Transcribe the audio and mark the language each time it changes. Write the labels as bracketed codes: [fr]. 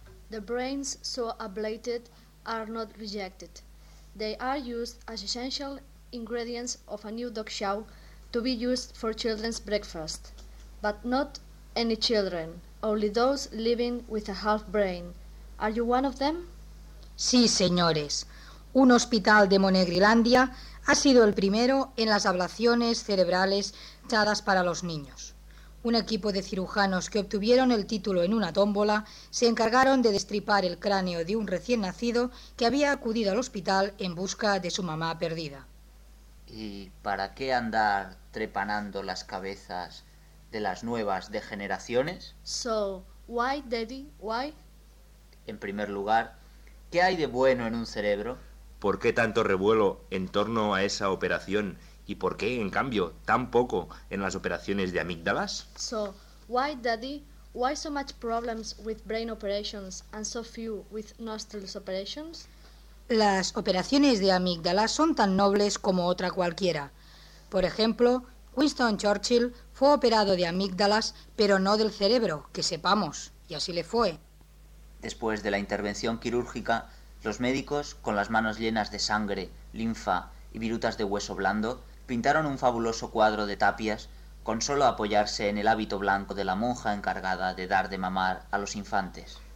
[en] The brains so ablated are not rejected. They are used as essential ingredients of a new dog chow to be used for children's breakfast. But not any children, only those living with a half brain. Are you one of them? [es] Sí, señores. Un hospital de Monegrilandia ha sido el primero en las ablaciones cerebrales dadas para los niños. Un equipo de cirujanos que obtuvieron el título en una tómbola se encargaron de destripar el cráneo de un recién nacido que había acudido al hospital en busca de su mamá perdida. ¿Y para qué andar trepanando las cabezas de las nuevas degeneraciones? [en] So, why, Daddy, why? [es] En primer lugar, ¿qué hay de bueno en un cerebro? ¿Por qué tanto revuelo en torno a esa operación? ¿Y por qué, en cambio, tan poco en las operaciones de amígdalas? [en] So, why, Daddy, why so much problems with brain operations and so few with nostrils operations? [es] Las operaciones de amígdalas son tan nobles como otra cualquiera. Por ejemplo, Winston Churchill fue operado de amígdalas, pero no del cerebro, que sepamos, y así le fue. Después de la intervención quirúrgica, los médicos, con las manos llenas de sangre, linfa y virutas de hueso blando, pintaron un fabuloso cuadro de tapias con solo apoyarse en el hábito blanco de la monja encargada de dar de mamar a los infantes.